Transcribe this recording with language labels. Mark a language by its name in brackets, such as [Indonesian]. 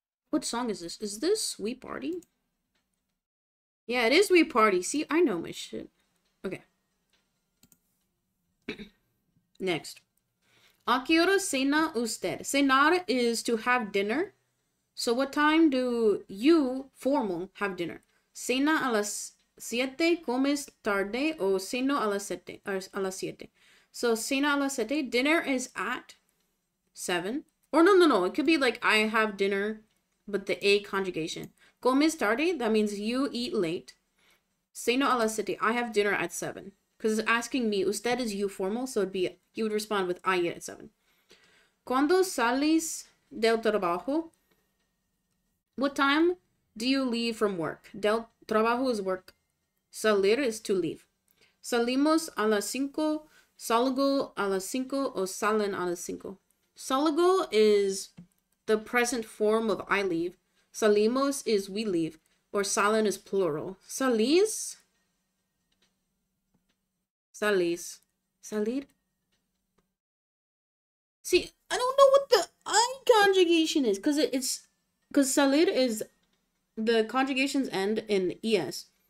[English] What song is this? Is this We Party? Yeah, it is We Party. See, I know my shit. Okay. [Spanish] Next. A qué hora cena usted? Cenar [English] is to have dinner. So what time do you, formal, have dinner? [Spanish] Cena a las siete, comes tarde, o ceno a las siete, or a las siete. [English] So [Spanish] cena a las siete, [English] dinner is at 7. Or no, it could be like I have dinner, but the A conjugation. [Spanish] Comes tarde, [English] that means you eat late. [Spanish] Ceno a las siete, [English] I have dinner at 7. Because it's asking me, usted is you formal, so it'd be, you would respond with, I eat at 7. [Spanish] ¿Cuándo sales del trabajo? [English] What time do you leave from work? [Spanish] Del trabajo [English] is work. Salir is to leave. [Spanish] Salimos a las 5, salgo a las 5, o salen a las 5. [English] Salgo is the present form of I leave. Salimos is we leave, or salen is plural. Salís? [Spanish] Salís. Salir? [English] See, I don't know what the I conjugation is, because because salir is the conjugations end in ES.